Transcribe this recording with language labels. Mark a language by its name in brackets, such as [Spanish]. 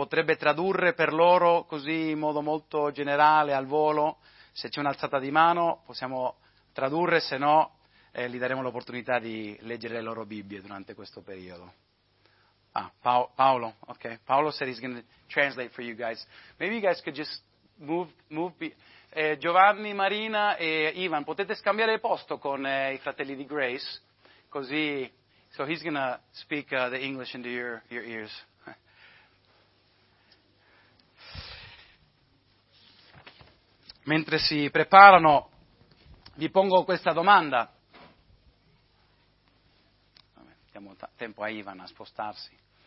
[Italian] potrebbe tradurre per loro così in modo molto generale, al volo. Se c'è un'alzata di mano possiamo tradurre, se no gli daremo l'opportunità di leggere le loro Bibbie durante questo periodo. Ah, Paolo, ok. [English] Paolo said he's going to translate for you guys. Maybe you guys could just move. [Italian] Giovanni, Marina e Ivan, potete scambiare posto con i fratelli di Grace, così. [English] So he's going to speak the English into your ears. [Italian] Mentre si preparano, vi pongo questa domanda. Diamo tempo a Ivan a spostarsi.